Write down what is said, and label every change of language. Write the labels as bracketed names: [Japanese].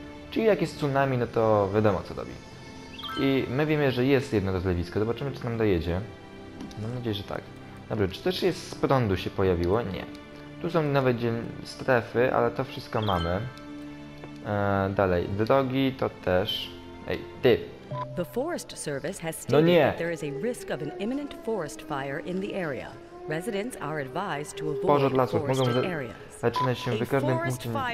[Polish] Czyli jak jest tsunami, no to wiadomo, co robi. I my wiemy, że jest jedno rozlewisko. Zobaczymy, czy nam dojedzie. Mam nadzieję, że tak. Dobrze, czy też jest z prądu się pojawiło? Nie. Tu są nowe strefy, ale to wszystko mamy. Dalej, drogi to też... Ej, ty! [English] The Forest Service has stated that there is a risk of an imminent forest fire in the area. Residents are advised to avoid forested areas. [Polish] Pożar lasów mogą zaczynać się w każdym punkcie.